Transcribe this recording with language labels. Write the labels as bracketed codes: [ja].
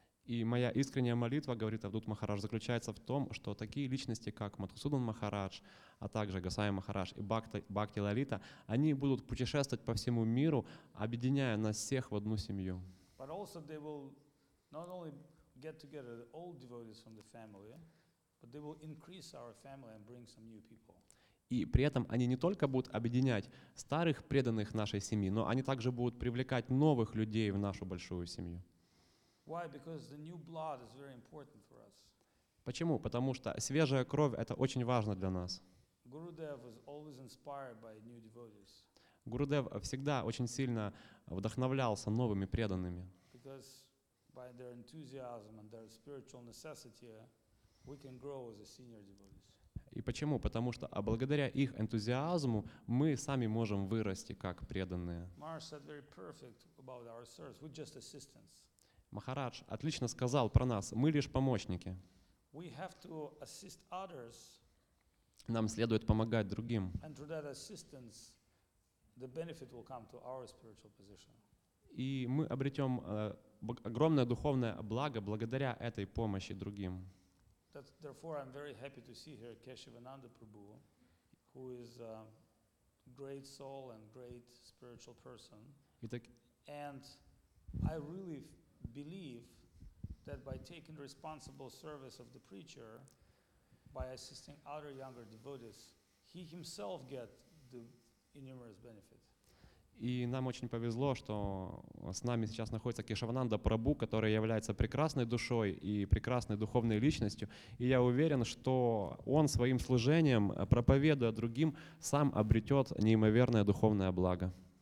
[ru] И моя искренняя молитва, говорит Авдут Махарадж, заключается в том, что такие личности, как Мадхусудан Махарадж, а также Госвами Махарадж и Бхакти Лалита, они будут путешествовать по всему миру, объединяя нас всех в одну семью. [en] But also they will not only get together all devotees from the family, but they will increase our family and bring some new people. [ru] И при этом они не только будут объединять старых преданных нашей семьи, но они также будут привлекать новых людей в нашу большую семью. [en] Why? Because the new blood is very important for us. [ru] Почему? Потому что свежая кровь – это очень важно для нас. [en] Gurudev was always inspired by new devotees. [ru] Gurudev всегда очень сильно вдохновлялся новыми преданными. [en] Because by their enthusiasm and their spiritual necessity, we can grow as a senior devotees. [ru] И почему? Потому что благодаря их энтузиазму мы сами можем вырасти как преданные. [en] Maharaj said very perfect about our service. We're just assistants. [ru] Махарадж отлично сказал про нас. Мы лишь помощники. [en] We have to assist others. [ru] Нам следует помогать другим. [en] And through that assistance, the benefit will come to our spiritual position. [ru] И мы обретем огромное духовное благо благодаря этой помощи другим. [en] That's, therefore, I'm very happy to see here Keshavananda Prabhu, who is a great soul and great spiritual person. And I really believe that by taking responsible service of the preacher, by assisting other younger devotees, he himself get the innumerous benefit. [ru] И нам очень повезло, что с нами сейчас находится Кешавананда Прабху, который является прекрасной душой и прекрасной духовной личностью. И я уверен, что он своим служением, проповедуя другим, сам обретет неимоверное духовное благо.